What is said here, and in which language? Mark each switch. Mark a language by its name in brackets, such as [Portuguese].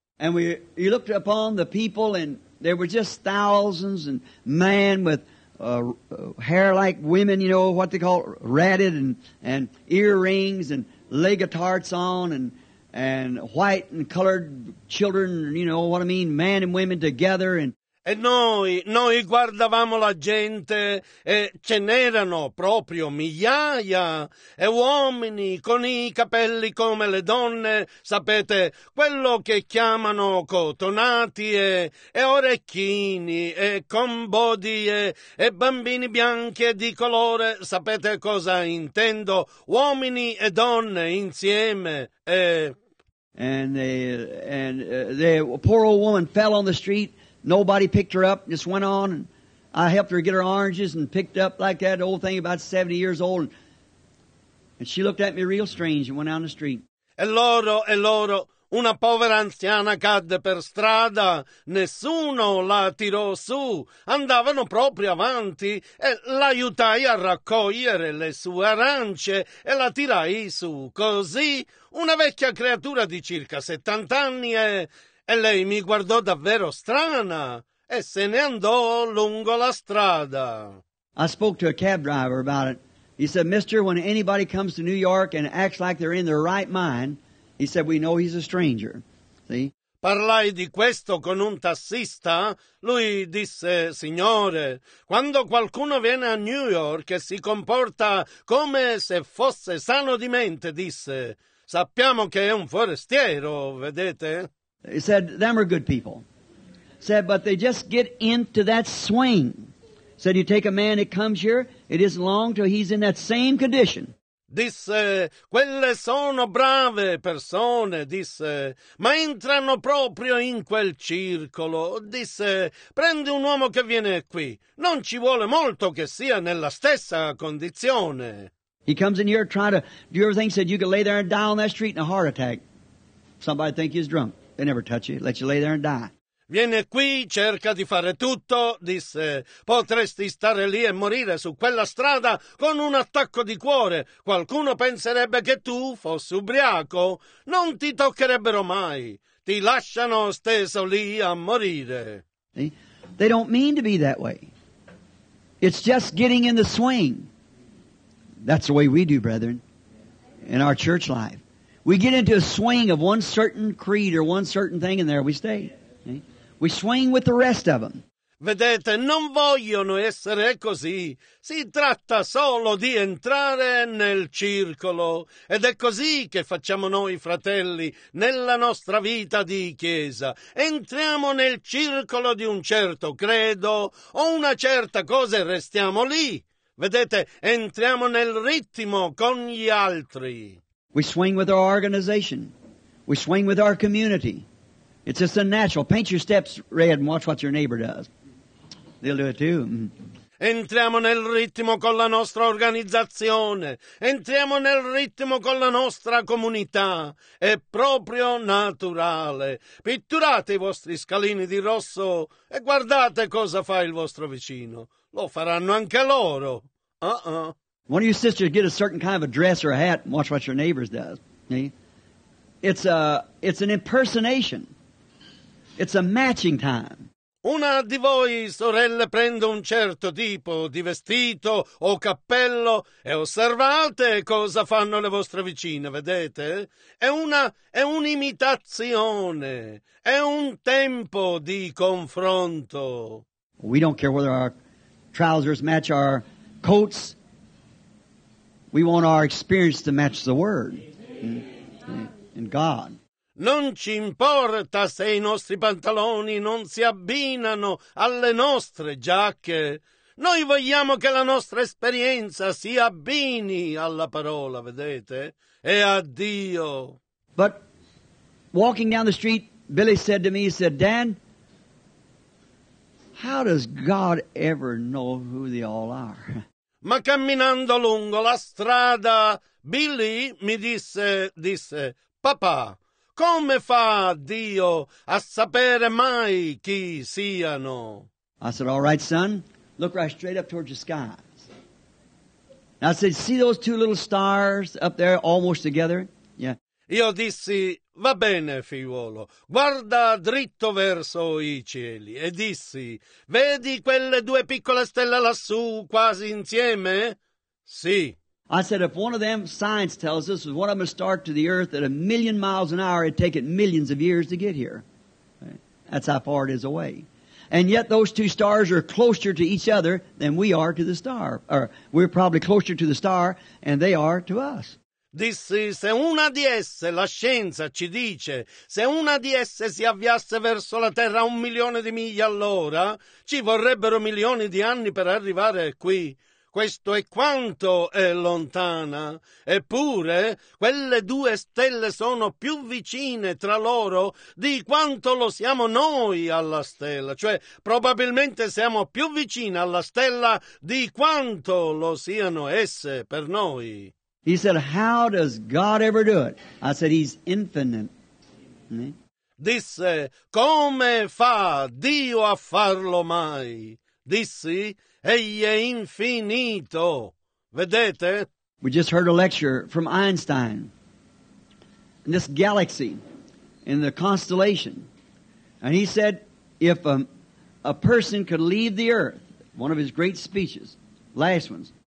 [English] And we looked upon the people and there were just thousands and men with hair like women, you know, what they call ratted and earrings and leg guitars on and white and colored children, you know what I mean, man and women together. And [Italian] e noi guardavamo la gente e ce n'erano proprio migliaia, e uomini con i capelli come le donne, sapete, quello che chiamano cotonati e orecchini e con body e bambini bianchi di colore, sapete cosa intendo, uomini e donne insieme e... [English] And a poor old woman fell on the street. Nobody picked her up, just went on. And I helped her get her oranges and picked up like that old thing, about 70 years old. And she looked at me real strange and went down the street. [Italian] E loro. Una povera anziana cadde per strada, nessuno la tirò su, andavano proprio avanti e l'aiutai a raccogliere le sue arance e la tirai su. Così una vecchia creatura di circa 70 anni e lei mi guardò davvero strana e se ne andò lungo la strada. [English] I spoke to a cab driver about it. He said, "Mister, when anybody comes to New York and acts like they're in their right mind," he said, "we know he's a stranger." See? [Italian] Parlai di questo con un tassista. Lui disse, "Signore, quando qualcuno viene a New York e si comporta come se fosse sano di mente," disse, "sappiamo che è un forestiero, vedete?" [English] He said, "them are good people." He said, "but they just get into that swing." He said, "you take a man that comes here, it isn't long till he's in that same condition." [Italian] Disse, "quelle sono brave persone," disse, "ma entrano proprio in quel circolo." Disse, "prendi un uomo che viene qui, non ci vuole molto che sia nella stessa condizione." [English] He comes in here trying to do everything. Said, "you could lay there and die on that street in a heart attack. Somebody think he's drunk. They never touch you, let you lay there and die." [Italian] Viene qui, cerca di fare tutto, disse, "potresti stare lì e morire su quella strada con un attacco di cuore. Qualcuno penserebbe che tu fossi ubriaco. Non ti toccherebbero mai. Ti lasciano steso lì a morire." [English] They don't mean to be that way. It's just getting in the swing. That's the way we do, brethren, in our church life. We get into a swing of one certain creed or one certain thing and there we stay. We swing with the rest of them. [Italian] Vedete, non vogliono essere così. Si tratta solo di entrare nel circolo. Ed è così che facciamo noi, fratelli, nella nostra vita di chiesa. Entriamo nel circolo di un certo credo o una certa cosa e restiamo lì. Vedete, entriamo nel ritmo con gli altri. [English] We swing with our organization. We swing with our community. It's just unnatural. Paint your steps red and watch what your neighbor does. They'll do it too. [Italian] Entriamo nel ritmo con la nostra organizzazione. Entriamo nel ritmo con la nostra comunità. È proprio naturale. Pitturate i vostri scalini di rosso e guardate cosa fa il vostro vicino. Lo faranno anche loro. [English] One of your sisters get a certain kind of a dress or a hat and watch what your neighbors does. It's an impersonation. It's a matching time. [Italian] Una di voi, sorelle, prende un certo tipo di vestito o cappello e osservate cosa fanno le vostre vicine, vedete? È un'imitazione, è un tempo di confronto. [English] We don't care whether our trousers match our coats. We want our experience to match the Word and God. [Italian] Non ci importa se i nostri pantaloni non si abbinano alle nostre giacche. Noi vogliamo che la nostra esperienza si abbini alla parola, vedete? E a Dio. [English] But walking down the street, Billy said to me, he said, Dan, how does God ever know who they all are? [Italian] Ma camminando lungo la strada, Billy mi disse, papà, come fa Dio a sapere mai chi siano? [English] I said, all right, son, look right straight up towards the skies. And I said, see those two little stars up there almost together? Yeah. [Italian] Io dissi, va bene, figliuolo, guarda dritto verso i cieli. E dissi, vedi quelle due piccole stelle lassù quasi insieme? Sì. [English] I said, if one of them, science tells us, if one of them start to the earth at 1,000,000 miles an hour, it'd take it millions of years to get here. That's how far it is away. And yet those two stars are closer to each other than we are to the star. Or we're probably closer to the star and they are to us. [Italian] Dissi, se una di esse, la scienza ci dice, se una di esse si avviasse verso la Terra 1,000,000 di miglia all'ora, ci vorrebbero milioni di anni per arrivare qui. Questo è quanto è lontana. Eppure, quelle due stelle sono più vicine tra loro di quanto lo siamo noi alla stella. Cioè, probabilmente siamo più vicini alla stella di quanto lo siano esse per noi. [English] He said, how does God ever do it? I said, he's infinite. [Italian] Disse, come fa Dio a farlo mai? Dissi, egli è infinito. Vedete? [English] We just heard a lecture from Einstein. In this galaxy, in the constellation. And he said, if a person could leave the earth, one of his great speeches, last ones.